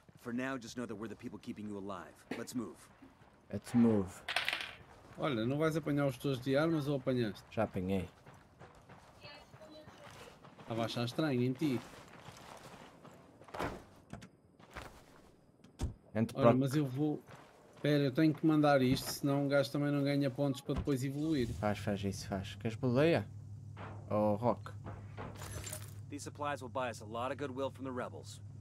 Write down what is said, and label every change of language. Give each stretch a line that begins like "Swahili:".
English: For now, just know that we're the people keeping you alive. Let's move.
Portuguese: Olha, não vais apanhar os teus de armas ou apanhaste? Já apanhei. Estava a achar estranho em ti. Ora, mas eu vou... Espera, eu tenho que mandar isto, senão o gajo também não ganha pontos para depois evoluir. Faz isso. Queres boleia? Ou rock?
English: These supplies will buy us a lot of goodwill from the rebels.